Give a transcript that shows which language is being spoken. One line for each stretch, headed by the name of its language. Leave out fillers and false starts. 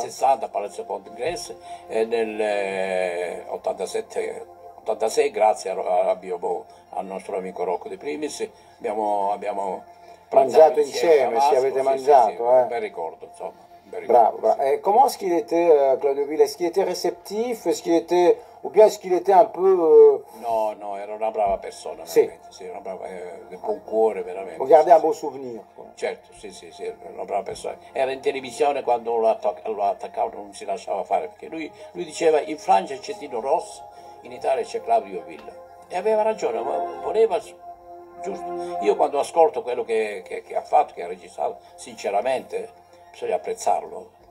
Italian: Nel 60 Palazzo Congresso e nel 86, grazie al nostro amico Rocco De Primis, abbiamo mangiato insieme, si avete mangiato. Sì, un bel ricordo, insomma. Bravo.
French: Et comment est-ce qu'il était, Claudio Villa? Est-ce qu'il était réceptif? Ou bien est-ce qu'il était un peu...
Italian: No, era una brava persona, veramente. Sì, una brava, buon cuore, veramente. Guardiamo un buon souvenir. Certo, sì, era una brava persona. Era in televisione quando lo attaccavano, non si lasciava fare, perché lui diceva, in Francia c'è Tino Ross, in Italia c'è Claudio Villa. E aveva ragione, voleva... Giusto. Io quando ascolto quello che ha fatto, che ha registrato, sinceramente bisogna apprezzarlo.